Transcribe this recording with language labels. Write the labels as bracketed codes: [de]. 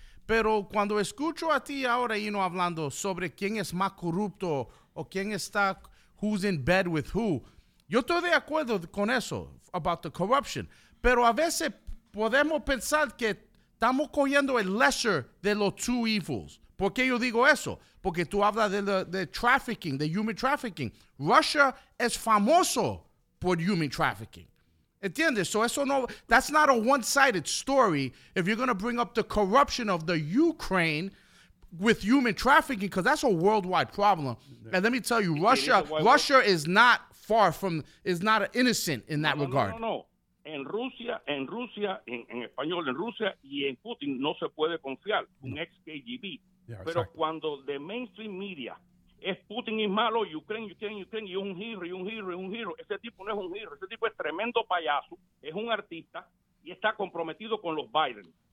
[es] Pero cuando escucho a ti ahora, Hino, hablando sobre quién es más corrupto o quién está, [en] who's in bed with who, [es] yo estoy de acuerdo con eso, [en] about the corruption. [es] Pero a veces podemos pensar que estamos cogiendo el lesser de los [en] two evils. [es] ¿Por qué yo digo eso? Porque tú hablas de trafficking, de human trafficking. Russia es famoso por human trafficking. ¿Entiendes? [en] So [es] eso no, [en] that's not a one-sided story if you're going to bring up the corruption of the Ukraine with human trafficking, because that's a worldwide problem. And let me tell you, Russia is not far from, is not innocent in that regard. [es] En Rusia, en español, en Rusia y en Putin no se puede confiar, un ex KGB. Pero cuando de mainstream media es Putin y malo, Ukraine, y es un hero. Ese tipo no es un hero, ese tipo es tremendo payaso, es un artista y está comprometido con los Biden.